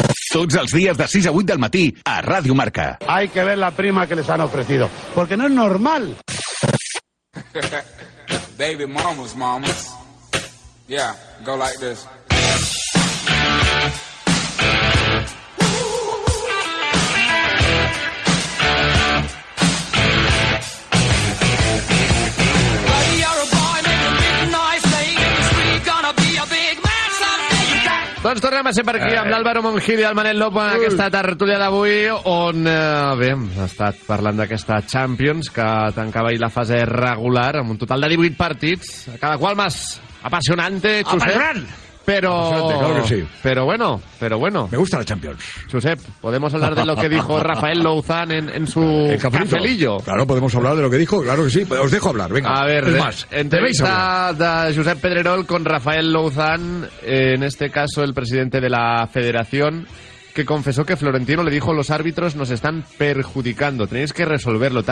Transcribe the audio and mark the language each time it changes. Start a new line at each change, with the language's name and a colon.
Catalan: Tots els dies de 6 a 8 del matí a Ràdio Marca.
Spanish: Hay que ver la prima que les han ofrecido, porque no es normal.
English: Baby mamas, mamas. Yeah, go like this.
Catalan: Doncs tornem a ser per aquí amb l'Àlvaro Monjil i el Manel Lopo en aquesta tertúlia d'avui, on bé, hem estat parlant d'aquesta Champions, que tancava ahir la fase regular amb un total de 18 partits, cada qual més apassionante, Josep. Apassionant! Però...
Spanish: Claro que sí. Pero bueno. Me gusta la Champions. Josep, podemos hablar de lo que dijo Rafael Louzán en su cafelillo. Claro, podemos hablar de lo que dijo, claro que sí. Os dejo hablar, venga. A ver, es más, entrevista de Josep Pedrerol con Rafael Louzán, en este caso el presidente de la federación, que confesó que Florentino le dijo: los árbitros nos están perjudicando, tenéis que resolverlo.